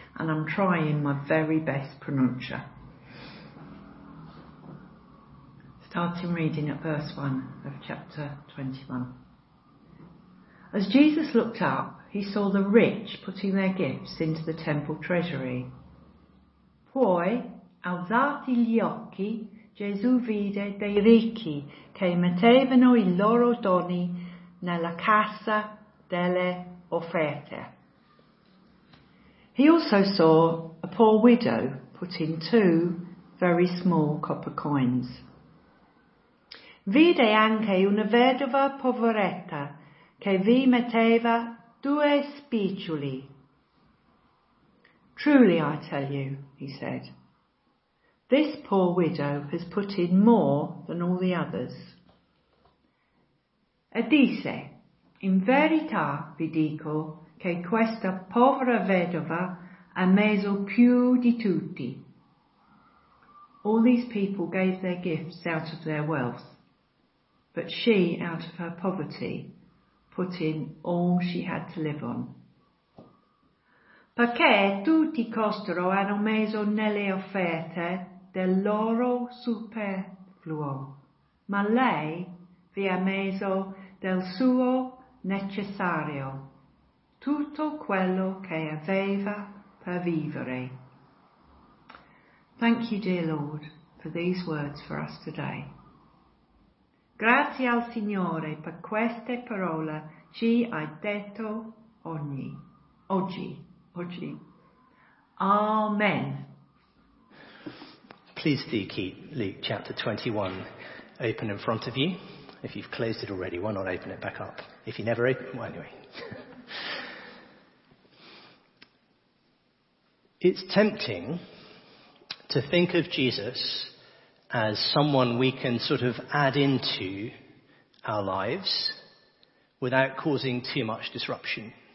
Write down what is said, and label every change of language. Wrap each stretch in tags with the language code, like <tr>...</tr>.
<en>And I'm trying my very best pronuncia. Starting reading at verse 1 of chapter 21. As Jesus looked up, he saw the rich putting their gifts into the temple treasury.</en> <it>Poi, alzati gli occhi, Gesù vide dei ricchi che mettevano i loro doni nella cassa delle offerte.</it> <en>He also saw a poor widow put in two very small copper coins.</en> <it>Vide anche una vedova poveretta che vi metteva due spiccioli.</it> <en>Truly, I tell you, he said, this poor widow has put in more than all the others.</en> <it>E disse, in verità vi dico che questa povera vedova ha messo più di tutti.</it> <en>All these people gave their gifts out of their wealth, but she, out of her poverty, put in all she had to live on.</en> <it>Perché tutti costoro hanno messo nelle offerte del loro superfluo, ma lei vi ha messo del suo necessario, tutto quello che aveva per vivere.</it> <en>Thank you, dear Lord, for these words for us today.</en> <it>Grazie al Signore per queste parole ci hai detto oggi.</it> <en>Amen. Please do keep Luke chapter 21 open in front of you. If you've closed it already, why not open it back up? If you never open it, well, anyway. It's tempting to think of Jesus as someone we can sort of add into our lives without causing too much disruption.</en>